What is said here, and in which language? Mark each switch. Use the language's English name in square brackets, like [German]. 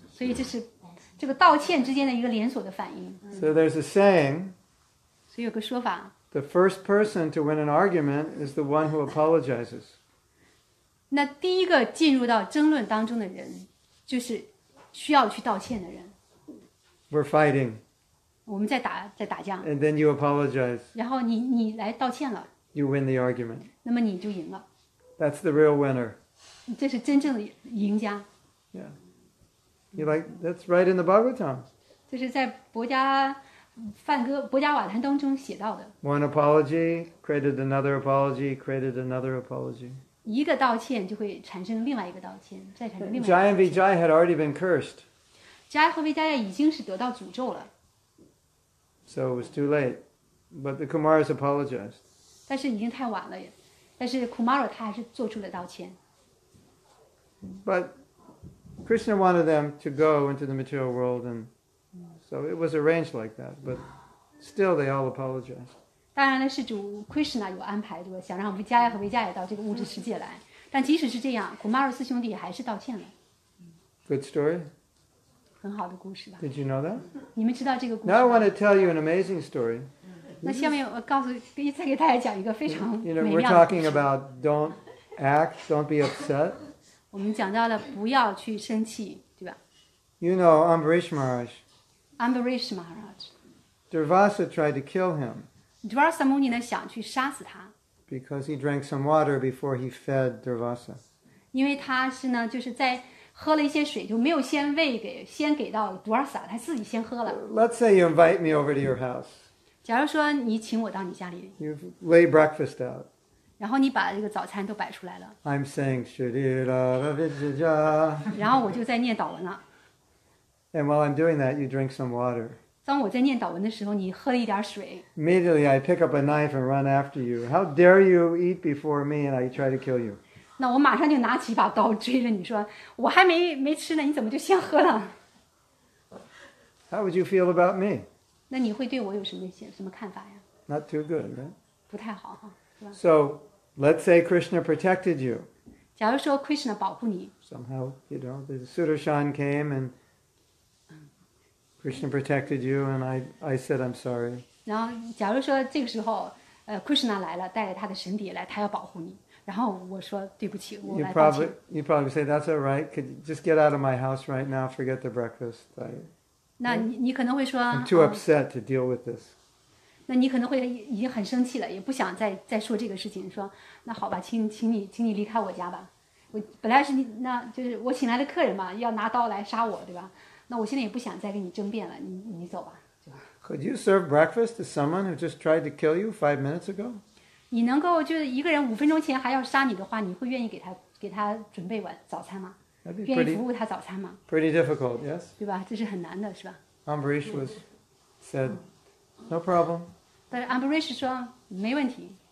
[Chinese] 所以这是这个道歉之间的一个连锁的反应。 [English] So there's a saying. [Chinese] 所以有个说法。 [English] The first person to win an argument is the one who apologizes. [Chinese] 那第一个进入到争论当中的人，就是需要去道歉的人。 [English] We're fighting. [Chinese] 我们在打架。 [English] And then you apologize. [Chinese] 然后你来道歉了。 [English] You win the argument. [Chinese] 那么你就赢了。 [English] That's the real winner. [Chinese] 这是真正的赢家。 [English] Yeah. You like, that's right in the Bhagavatam. [Chinese] 这是在博家梵歌博家瓦坛当中写到的。 [English] One apology created another apology, created another apology. [Chinese] 一个道歉就会产生另外一个道歉，再产生另外一个道歉。 [English] Jaya and Vijaya had already been cursed. [Chinese] Jaya 和 Vijaya 已经是得到诅咒了。 [English] So it was too late, but the Kumaras apologized. [Chinese] 但是已经太晚了，但是 Kumara 他还是做出了道歉。 [English] But Krishna wanted them to go into the material world, and so it was arranged like that. But still, they all apologized. [Chinese] 当然了，是主 Krishna 有安排，对吧？想让 Vijaya 和 Vijaya 到这个物质世界来。但即使是这样 ，Kumara 四兄弟还是道歉了。 [English] Good story. [Chinese] 很好的故事吧。 [English] Did you know that? [Chinese] 你们知道这个故事。 [English] Now I want to tell you an amazing story. [Chinese] 那下面我告诉，再给大家讲一个非常美妙的故事。 [English] You know, we're talking about don't act, don't be upset. [Chinese] 我们讲到了不要去生气，对吧 [English] ？You know, Ambarish Maharaj. Ambarish Maharaj. Durvasa tried to kill him. [Chinese] Durvasa Muni 呢想去杀死他。 [English] Because he drank some water before he fed Durvasa. [Chinese] 因为他是呢，就是在。喝了一些水就没有先喂给先给到杜尔萨他自己先喝了。 [English] Let's say you invite me over to your house. [Chinese] 假如说你请我到你家里。 [English] You've laid breakfast out. [Chinese] 然后你把这个早餐都摆出来了。 [English] I'm saying, Shri-ra-ra-vijaya. [Chinese] 然后我就在念祷文了。 [English] And while I'm doing that, you drink some water. [Chinese] 当我在念祷文的时候你喝了一点水。 [English] Immediately I pick up a knife and run after you. How dare you eat before me and I try to kill you. [Chinese] 那我马上就拿起一把刀追着你说我还 没吃呢你怎么就先喝了 [English] How would you feel about me? [Chinese] 那你会对我有什么看法呀 [English] Not too good, right? [Chinese] 不太好哈 [English] So, let's say Krishna protected you. [Chinese] 假如说 Krishna 保护你 [English] Somehow, you know, the Sudarshan came and Krishna protected you, and I said I'm sorry. [Chinese] 然后，假如说这个时候，Krishna 来了，带着他的神碟来，他要保护你。然后我说对不起，我来道歉。 [English] You probably say that's all right. Could you just get out of my house right now. Forget the breakfast. [Chinese] 那你可能会说 [English] ，I'm too upset to deal with this. [Chinese] 那你可能会已经很生气了，也不想再说这个事情。说那好吧，请你离开我家吧。我本来是你，那就是我请来的客人嘛，要拿刀来杀我，对吧？那我现在也不想再跟你争辩了，你走吧，对吧 [English] ？Could you serve breakfast to someone who just tried to kill you 5 minutes ago？ [Chinese] 你能够就是一个人五分钟前还要杀你的话，你会愿意给他准备晚早餐吗？ [English] That'd be pretty, [Chinese] 愿意服务他早餐吗 [English] ？Pretty difficult, yes。 [Chinese] 对吧？这是很难的，是吧 [English] ？Ambarish was said, no problem。 [Chinese] 但是 Ambarish 说没问题。